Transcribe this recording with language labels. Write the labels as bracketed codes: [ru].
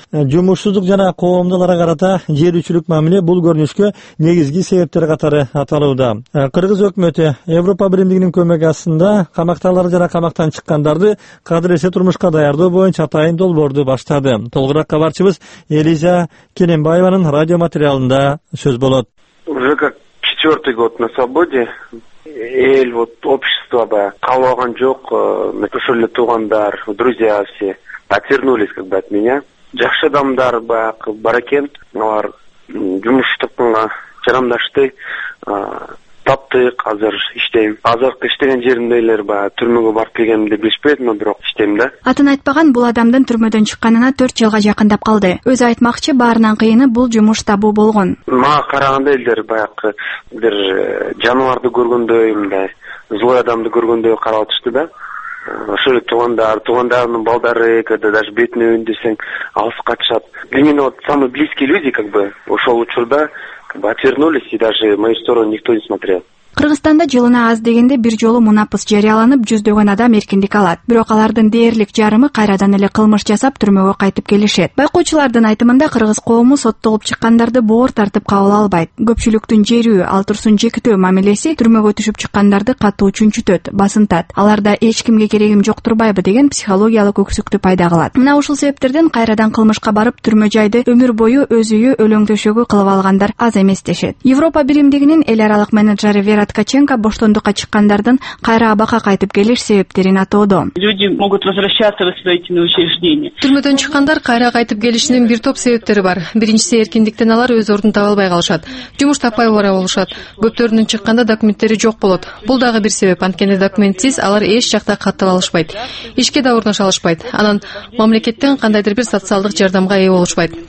[ky] Жумушсуздук жана коомдоолорго карата жерүүчүлүк мамиле бул көрүнүшкө негизги себептер катары аталууда. Кыргыз өкмөтү Европа биримдигинин көмөгү астында камактагылар жана камактан чыккандарды кадыресе турмушка даярдоо боюнча атайын долбоорду баштады. Толугураак кабарчыбыз Элиза Кененбаеванын радио материалында сөз болот. [ru] Уже как четвертый год на свободе. Эл общество [ky] баягы кабыл алган жок, ошо эле туугандар, [ru] друзья все отвернулись как бы от меня. [ky] Жакшы адамдар баягы бар экен, алар жумуштукуна жарамдашты, таптык, азыр иштейм. Азыркы иштеген жеримдегилер баягы түрмөгө барып келгенимди билишпейт, но бирок иштейм да. Атын айтпаган бул адамдын түрмөдөн чыкканына 4 жылга жакындап калды. Өзү айтмакчы, баарынан кыйыны бул жумуш табуу болгон. Мага караганда элдер баягы бир жаныбарды көргөндөй, мындай злой адамды көргөндөй карап атышты да. Ошо эле туугандар, туугандарынын балдары, [ru] когда даже [ky] бетине өйүн десең алыс катышат. [ru] Именно вот самые близкие люди как бы [ky] ошол учурда [ru] отвернулись и даже в мою сторону никто не смотрел. [ky] Кыргызстанда жылына аз дегенде бир жолу мунапыс жарыяланып, жүздөгөн адам эркиндик алат. Бирок алардын дээрлик жарымы кайрадан эле кылмыш жасап түрмөгө кайтып келишет. Байкоочулардын айтымында кыргыз коому соттолуп чыккандарды боор тартып кабыл албайт. Көпчүлүктүн жерүү, ал турсун чектөө мамилеси түрмөгө түшүп чыккандарды катуу чүнчүтөт, басынтат. Аларда эч кимге керегим жок турбайбы деген психологиялык өксүктү пайда кылат. Мына ушул себептерден кайрадан кылмышка барып түрмө жайды өмүр бою өз үйү өлөң төшөгү кылып алгандар аз эмес дешет. Европа биримдигинин эл аралык менеджери Вера Марат Каченко боштондукка чыккандардын кайра абакка кайтып келиш себептерин атоодо. [ru] Люди могут возвращаться в исправительные учреждения. [ky] Түрмөдөн чыккандар кайра кайтып келишинин бир топ себептери бар. Биринчиси, эркиндиктен алар өз ордун таба албай калышат. Жумуш таппай бара болушат. Көптөрүнүн чыкканда документтери жок болот. Бул дагы бир себеп, анткени документсиз алар эч жакта катыла алышпайт. Ишке да орношо алышпайт. Анан мамлекеттен кандайдыр бир социалдык жардамга ээ болушпайт.